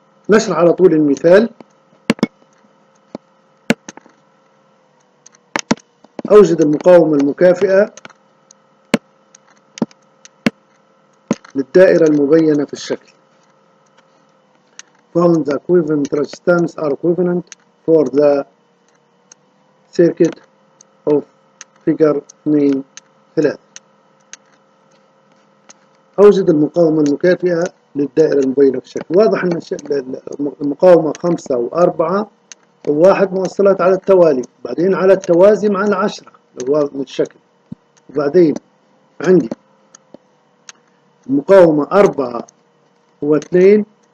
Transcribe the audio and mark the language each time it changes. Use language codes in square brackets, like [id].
[ar] نشرح على طول المثال. أوجد المقاومة المكافئة للدائرة المبينة في الشكل. [en] Found the equivalent resistance are equivalent for the circuit of figure 3. [ar] أوجد المقاومة المكافئة للدائرة المبينة في الشكل. واضح أن المقاومة 5 و 4 وواحد موصلات على التوالي، بعدين على التوازي مع العشرة الواضح من الشكل، وبعدين عندي المقاومة أربعة واثنين